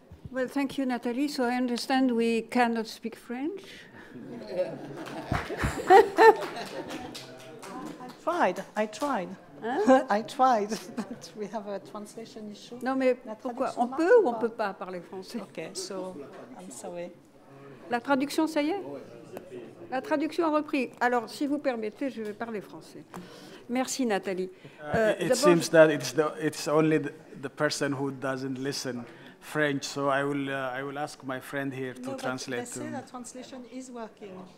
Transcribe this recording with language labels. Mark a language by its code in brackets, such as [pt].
[en] Well, thank you, Nathalie. So I understand we cannot speak French. I tried. Hein? I tried, but we have a translation issue. [fr] Non, mais pourquoi? On peut ou on ne peut pas parler français? [en] Okay, so I'm sorry. [fr] La traduction, ça y est? La traduction a repris. Alors, si vous permettez, je vais parler français. Merci, Nathalie. [en] It seems that it's only the person who doesn't listen French, so I will ask my friend here to translate. No, but they say the translation is working.